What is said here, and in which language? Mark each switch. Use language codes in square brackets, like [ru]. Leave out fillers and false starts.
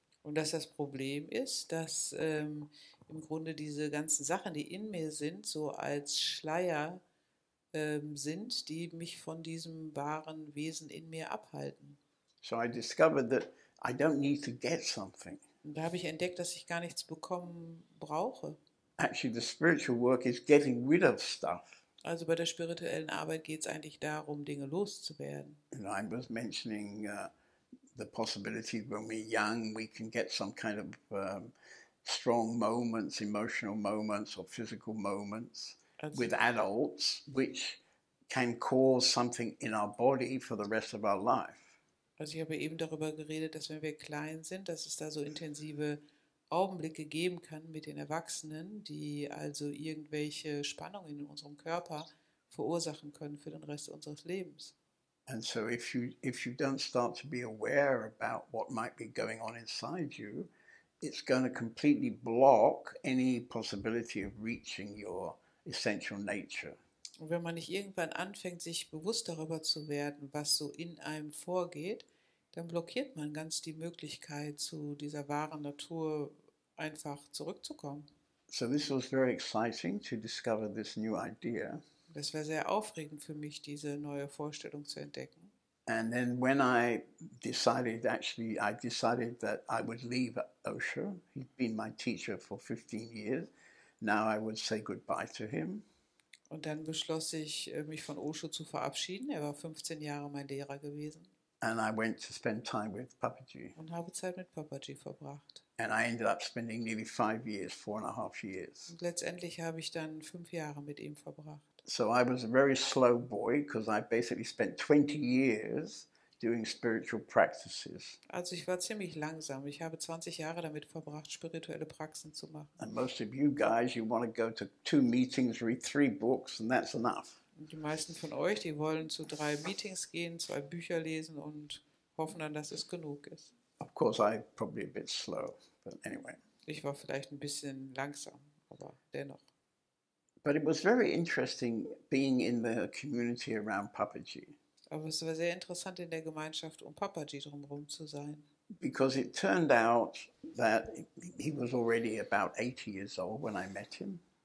[de] Und dass das Problem ist, dass im Grunde diese ganzen Sachen, die in mir sind, so als Schleier sind, die mich von diesem wahren Wesen in mir abhalten. [en] So I discovered that I don't need to get something. [de] Da habe ich entdeckt, dass ich gar nichts bekommen brauche. [en] Actually, the spiritual work is getting rid of stuff. [de] Also bei der spirituellen Arbeit geht es eigentlich darum, Dinge loszuwerden. [en] And I was mentioning the possibility when we're young, we can get some kind of strong moments, emotional moments or physical moments with adults, which can cause something in our body for the rest of our life. [de] Also ich habe eben darüber geredet, dass wenn wir klein sind, dass es da so intensive Augenblicke geben kann mit den Erwachsenen, die also irgendwelche Spannungen in unserem Körper verursachen können für den Rest unseres Lebens. [en] And so if you don't start to be aware about what might be going on inside you, it's going to completely block any possibility of reaching your essential nature. [de] Und wenn man nicht irgendwann anfängt, sich bewusst darüber zu werden, was so in einem vorgeht, dann blockiert man ganz die Möglichkeit, zu dieser wahren Natur einfach zurückzukommen. [en] So this was very exciting to discover this new idea. [de] Das war sehr aufregend für mich, diese neue Vorstellung zu entdecken. [en] And then when I decided that I would leave Osho, he'd been my teacher for 15 years, now I would say goodbye to him. [de] Und dann beschloss ich, mich von Osho zu verabschieden. Er war 15 Jahre mein Lehrer gewesen. [en] And I went to spend time with Papaji. [de] Und habe Zeit mit Papaji verbracht. [en] And I ended up spending nearly 5 years, 4.5 years. [de] Und letztendlich habe ich dann 5 Jahre mit ihm verbracht. [en] So I was a very slow boy, because I basically spent 20 years doing spiritual practices. [de] Also ich war ziemlich langsam. Ich habe 20 Jahre damit verbracht, spirituelle Praxen zu machen. [en] And most of you guys, you want to go to 2 meetings, read 3 books, and that's enough. [de] Und die meisten von euch, die wollen zu 3 Meetings gehen, 2 Bücher lesen und hoffen dann, dass es genug ist. [en] Of course, I'm probably a bit slow, but anyway. [de] Ich war vielleicht ein bisschen langsam, aber dennoch. [en] But it was very interesting being in the community around Papaji. [de] Aber es war sehr interessant, in der Gemeinschaft um Papaji drumherum zu sein. [en] because it turned out that he was already about 80 years old when I met him.